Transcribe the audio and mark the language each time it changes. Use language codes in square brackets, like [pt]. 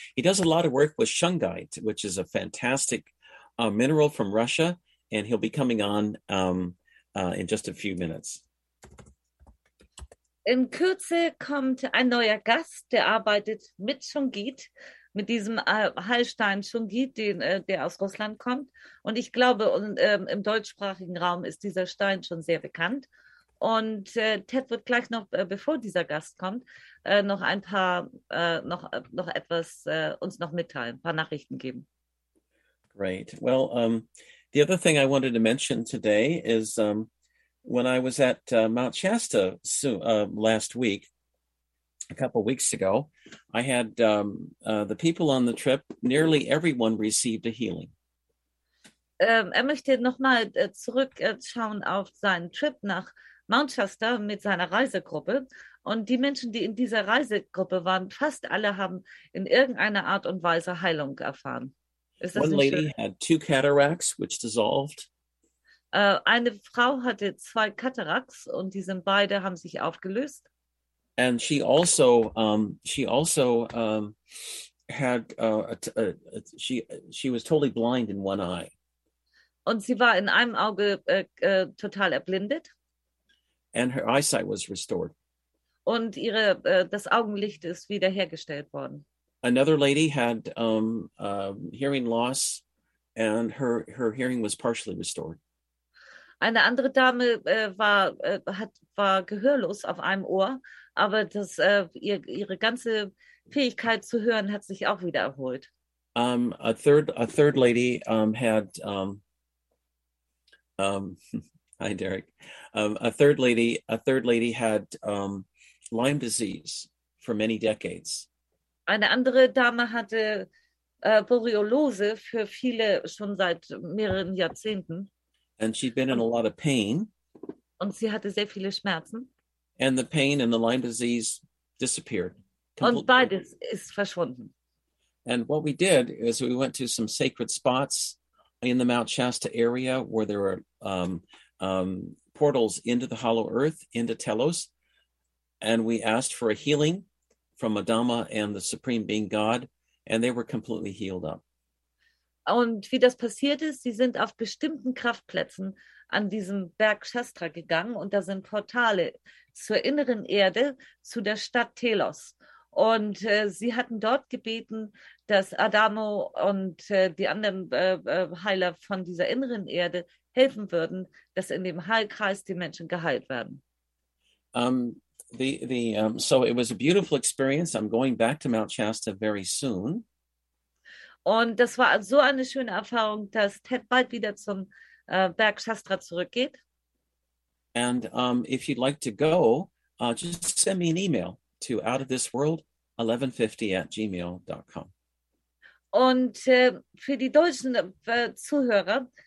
[en] He does a lot of work with Shungite, which is a fantastic mineral from Russia, and he'll be coming on in just a few minutes. [de] In Kürze kommt ein neuer Gast, der arbeitet mit Shungite, mit diesem Heilstein Shungite, der aus Russland kommt. Und ich glaube, im deutschsprachigen Raum ist dieser Stein schon sehr bekannt. Und Ted wird gleich noch, bevor dieser Gast kommt, noch ein paar, noch etwas uns noch mitteilen, ein paar Nachrichten geben. [en] Great. Well, the other thing I wanted to mention today is when I was at Mount Shasta last week, a couple of weeks ago, I had the people on the trip, nearly everyone received a healing. [de] Er möchte nochmal zurückschauen auf seinen Trip nach Mount Shasta mit seiner Reisegruppe. Und die Menschen, die in dieser Reisegruppe waren, fast alle haben in irgendeiner Art und Weise Heilung erfahren. Ist das [en] One lady [de] schön? [en] Had two cataracts, which dissolved. [de] Eine Frau hatte zwei Katarakts und die sind beide haben sich aufgelöst. [en] And she was totally blind in one eye. [de] Und sie war in einem Auge total erblindet. [en] And her eyesight was restored. [de] Und ihre das Augenlicht ist wiederhergestellt worden. [en] Another lady had hearing loss, and her hearing was partially restored. [de] Eine andere Dame war gehörlos auf einem Ohr, aber das ihre ganze Fähigkeit zu hören hat sich auch wieder erholt. [en] A third lady had hi Derek. A third lady had Lyme disease for many decades. [de] Eine andere Dame hatte Borreliose für viele schon seit mehreren Jahrzehnten. [en] And she'd been in a lot of pain. [de] Und sie hatte sehr viele Schmerzen. [en] And the pain and the Lyme disease disappeared. [de] Und beides ist verschwunden. [en] And what we did is we went to some sacred spots in the Mount Shasta area where there are portals into the hollow earth, into Telos. And we asked for a healing from Adama and the Supreme Being God. And they were completely healed up. [de] Und wie das passiert ist, sie sind auf bestimmten Kraftplätzen an diesem Berg Shastra gegangen und da sind Portale zur inneren Erde, zu der Stadt Telos. Und sie hatten dort gebeten, dass Adamo und die anderen Heiler von dieser inneren Erde helfen würden, dass in dem Heilkreis die Menschen geheilt werden. [en] So it was a beautiful experience. I'm going back to Mount Shasta very soon. [de] Und das war so eine schöne Erfahrung, dass Ted bald wieder zum Berg Shastra zurückgeht. [en] And if you'd like to go, just send me an email to outofthisworld1150@gmail.com. [de] Und für die deutschen Zuhörer,